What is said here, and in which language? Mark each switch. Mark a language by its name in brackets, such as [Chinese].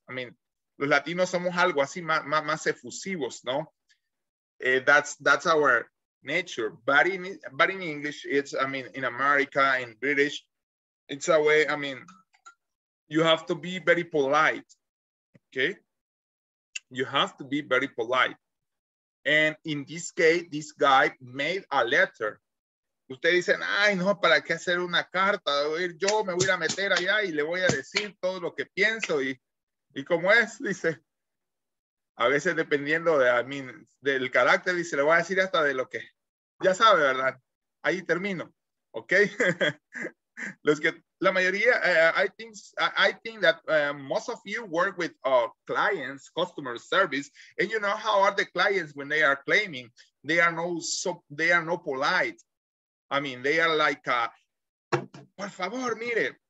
[English] I mean, [Spanish] los latinos somos algo así, más efusivos, ¿no? [English] That's our nature. But in English, it's, I mean, in America, in British, it's a way, I mean, you have to be very polite, okay? You have to be very polite. And in this case, this guy made a letter. [Spanish] Ustedes dicen, ay, no, ¿para qué hacer una carta? Yo me voy a meter allá y le voy a decir todo lo que pienso. Y como es, dice, A veces dependiendo de, [English] I mean, [Spanish] del carácter, y se lo voy a decir hasta de lo que ya sabe, ¿verdad? Ahí termino, ¿ok? Los que, la mayoría, [English] I think that most of you work with clients, customer service, and you know how are the clients when they are claiming, they are not polite. I mean, they are like, [Spanish] por favor, mire.